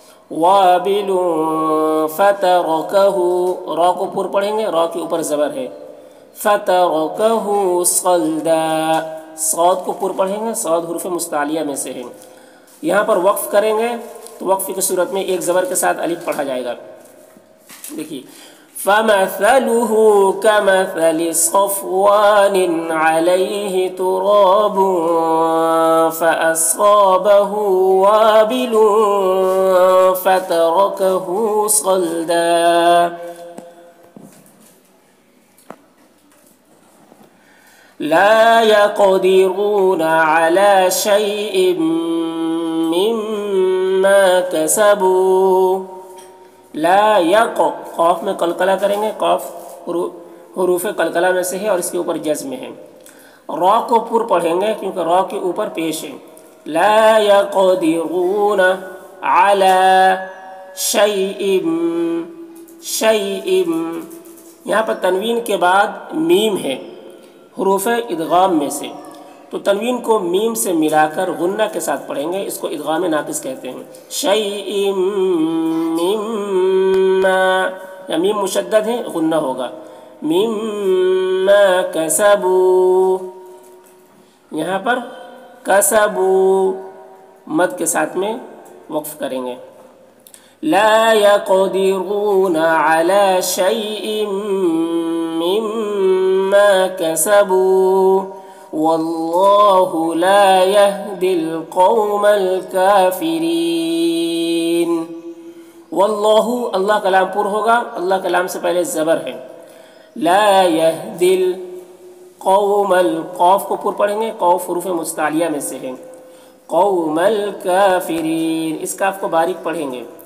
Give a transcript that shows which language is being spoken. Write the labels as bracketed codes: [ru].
[ar] وابل فترکه, [ur] را کو پر پڑھیں گے, را کے اوپر زبر ہے. [ar] فتركه صلدا, [ur] صاد کو پر پڑھیں گے, صاد حروف مستعلیہ میں سے ہے. یہاں پر وقف کریں گے تو وقف کی صورت میں ایک زبر کے ساتھ الف پڑھا جائے گا. دیکھیے, [ar] فمثله كمثل صفوان عليه تراب فأصابه وابل فتركه صلدا. لا يقدرون على شيء مما كسبوا. لا يق, [ur] قاف میں قلقلہ کریں گے, قاف حروف قلقلہ میں سے ہے اور اس کے اوپر جزم ہے. را کو پر پڑھیں گے کیونکہ را کے اوپر پیش ہے. [ar] لا يقدرون على شيء شيء, [ur] یہاں پر تنوین کے بعد میم ہے حروف ادغام میں سے, تو تنوین کو میم سے ملا کر غنہ کے ساتھ پڑھیں گے, اس کو ادغام ناقص کہتے ہیں. [ar] شیء مما, [ur] یا میم مشدد ہے, غنہ ہوگا. [ar] مما کسبوا, [ur] یہاں پر کسبوا مد کے ساتھ میں وقف کریں گے. [ar] لا يقدرون على شيء مما كسبوا والله لا يهدي القوم الكافرين. [ur] والله, اللہ کلام پر ہوگا, اللہ کلام سے پہلے زبر ہے. [ar] لا يهدي القوم, [ur] القوف کو پر پڑھیں گے, قوف حروف مستعلیہ میں سے ہے. [ar] قوم الكافرين, [ur] اس کاف کو باریک پڑھیں گے.